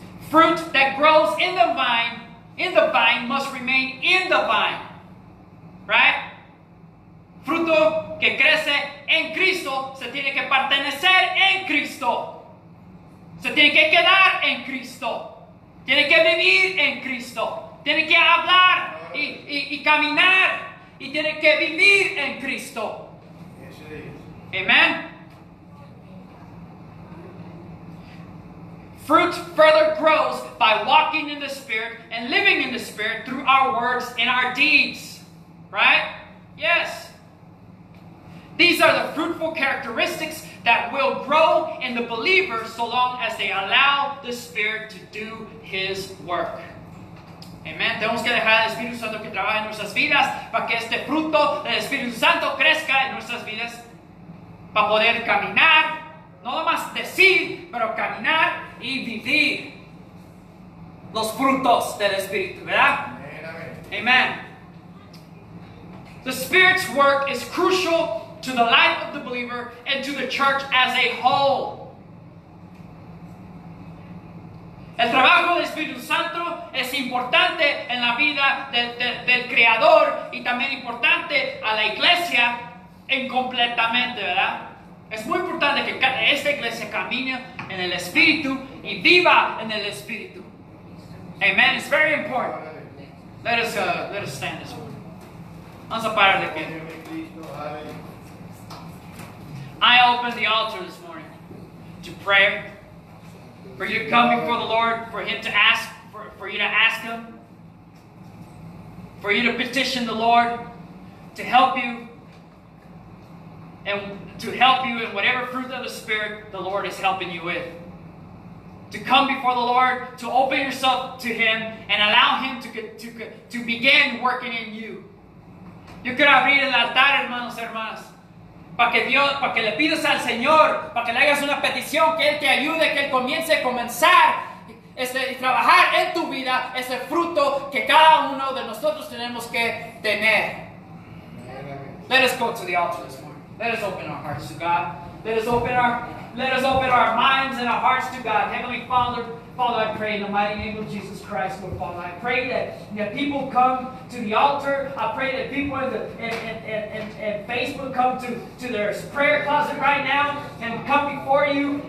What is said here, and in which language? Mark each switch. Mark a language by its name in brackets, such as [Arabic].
[English] fruit that grows in the vine must remain in the vine. Right? [Spanish] Fruto que crece en Cristo se tiene que pertenecer en Cristo. Se tiene que quedar en Cristo. Tiene que vivir en Cristo. Tiene que hablar y caminar. Y tiene que vivir en Cristo. Amen. [English] Fruit further grows by walking in the Spirit and living in the Spirit through our words and our deeds. Right? Yes. These are the fruitful characteristics that will grow in the believer so long as they allow the Spirit to do His work. Amen. [Spanish] Tenemos que dejar al Espíritu Santo que trabaje en nuestras vidas para que este fruto del Espíritu Santo crezca en nuestras vidas para poder caminar, no nomás decir, pero caminar y vivir los frutos del Espíritu, ¿verdad? Amen. [English] The Spirit's work is crucial to the life of the believer and to the church as a whole. [Spanish] El trabajo del Espíritu Santo es importante en la vida del Creador y también importante a la iglesia en completamente, ¿verdad? Es muy importante que esta iglesia camine en el Espíritu y viva en el Espíritu. [English] Amen. It's very important. Let us stand this way. [Spanish] Vamos a parar de pie. [English] I open the altar this morning to prayer. For you to come before the Lord, for Him to ask, for you to ask Him. For you to petition the Lord to help you. And to help you in whatever fruit of the Spirit the Lord is helping you with. To come before the Lord, to open yourself to Him, and allow Him to begin working in you. [Spanish] Yo quiero abrir el altar, hermanos, hermanas. Para que le pidas al Señor, para que le hagas una petición, que Él te ayude, que Él comience a comenzar y trabajar en tu vida ese fruto que cada uno de nosotros tenemos que tener. [English] Let us go to the altar this morning. Let us open our hearts to God. Let us open our minds and our hearts to God. Heavenly Father, Father, I pray in the mighty name of Jesus Christ, Lord Father. I pray that people come to the altar. I pray that people in Facebook come to their prayer closet right now and come before you.